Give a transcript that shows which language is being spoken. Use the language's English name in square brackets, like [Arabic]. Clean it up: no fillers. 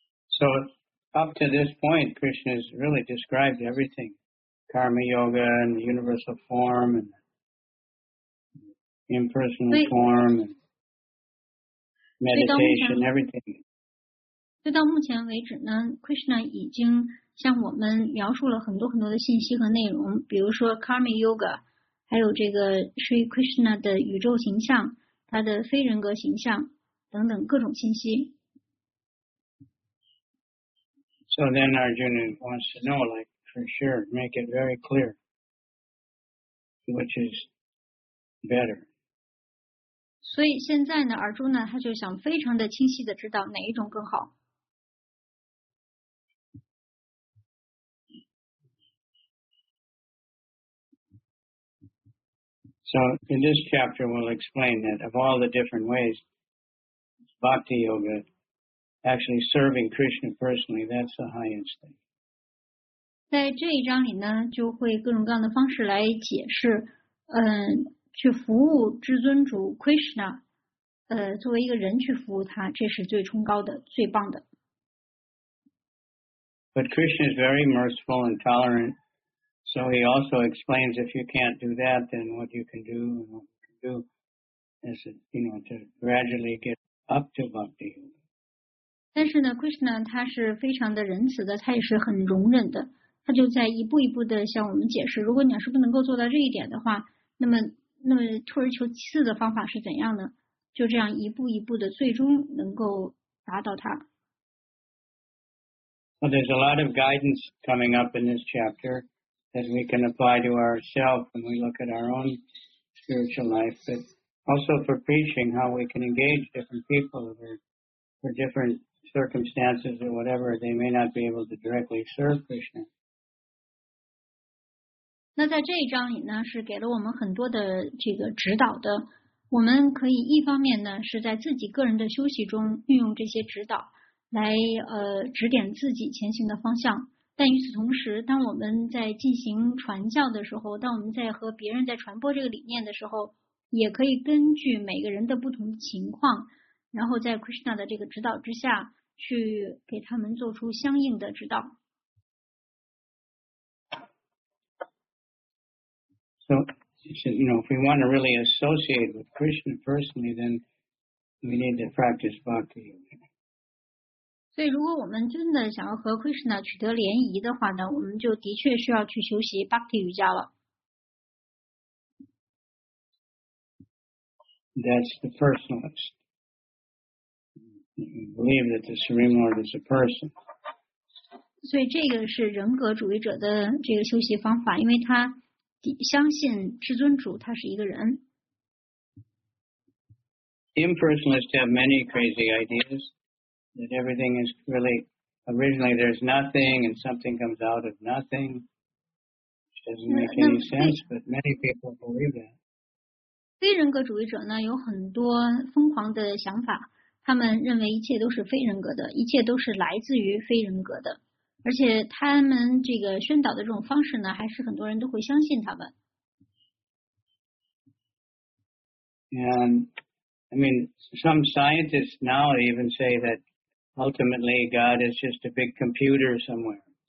[English] So up to this point, Krishna has really described everything, karma yoga and the universal form and. Impersonal form, meditation, everything. [Chinese] 到目前为止呢 ，Krishna 已经向我们描述了很多很多的信息和内容，比如说 Karma Yoga， 还有这个 Sri Krishna 的宇宙形象，他的非人格形象等等各种信息。 [English] So then Arjuna wants to know, like for sure, make it very clear, which is better. [Chinese] 所以现在呢，尔朱呢，他就想非常的清晰的知道哪一种更好。 [English] So in this chapter, we'll explain that of all the different ways, bhakti yoga, actually serving Krishna personally, that's the highest thing. [Chinese] 在这一章里呢，就会各种各样的方式来解释，去服务至尊主 Krishna， 作为一个人去服务他，这是最崇高的、最棒的。 [English] But Krishna is very merciful and tolerant, so he also explains if you can't do that, then what you can do and what you can do is, you know, to gradually get up to bhakti. [Chinese] 但是呢 ，Krishna 他是非常的仁慈的，他也是很容忍的，他就在一步一步的向我们解释，如果你要是不能够做到这一点的话，那么退而求其次的方法是怎样呢？就这样一步一步的，最终能够达到它。 [English] Well, there's a lot of guidance coming up in this chapter that we can apply to ourselves when we look at our own spiritual life, but also for preaching, how we can engage different people for different circumstances or whatever. They may not be able to directly serve Krishna. [Chinese] 那在这一章里呢，是给了我们很多的这个指导的。我们可以一方面呢，是在自己个人的休息中运用这些指导来指点自己前行的方向。但与此同时，当我们在进行传教的时候，当我们在和别人在传播这个理念的时候，也可以根据每个人的不同情况，然后在 Krishna 的这个指导之下，去给他们做出相应的指导。 [English] So, he said, you know, if we want to really associate with Krishna personally, then we need to practice bhakti. So, if we really want to have Krishna to be a connection, then we need to practice bhakti yoga. That's the personalist. We believe that the Supreme Lord is a person. [Chinese] 所以这个是人格主义者的这个修习方法，因为他。相信至尊主他是一个人。 [English] Impersonalists have many crazy ideas that everything is really originally there's nothing and something comes out of nothing, which doesn't make any sense, but many people believe that. [Chinese] 非人格主义者呢有很多疯狂的想法，他们认为一切都是非人格的，一切都是来自于非人格的，而且他们这个宣导的这种方式呢，还是很多人都会相信他们。 [English] And I mean, some scientists now even say that ultimately God is just a big computer somewhere.